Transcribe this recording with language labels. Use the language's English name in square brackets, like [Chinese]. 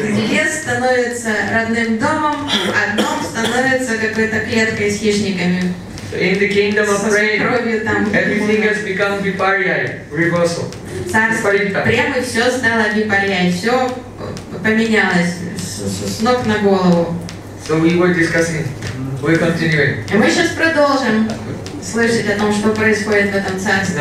[Russian] Лес становится родным домом, а дом становится какой-то клеткой с хищниками. [English] In the kingdom of Prem, everything has become viparyai, reversal. [Russian] Прямо все стало випарьяй, все поменялось с ног на голову. [English] So we were discussing. We continue. [Russian] И мы сейчас продолжим слышать о том, что происходит в этом царстве.